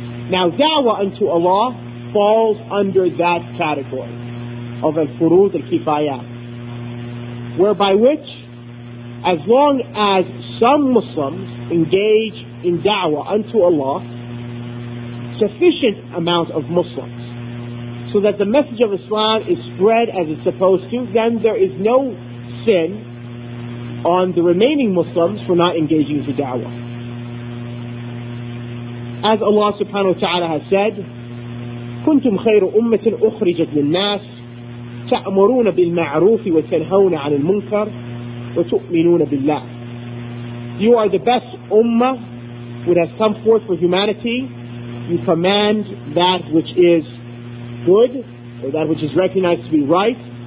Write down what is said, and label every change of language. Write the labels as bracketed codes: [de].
[en] Now, da'wah unto Allah falls under that category of al-furud al-kifayah, whereby which, as long as some Muslims engage in da'wah unto Allah, sufficient amount of Muslims, so that the message of Islam is spread as it's supposed to, then there is no sin on the remaining Muslims for not engaging in the da'wah. As Allah subhanahu wa ta'ala has said, [ar] كنتم خير أمة أخرجت للناس تأمرون بالمعروف وتنهون عن المنكر وتؤمنون بالله. [en] You are the best ummah who has come forth for humanity. You command that which is good, or that which is recognized to be right.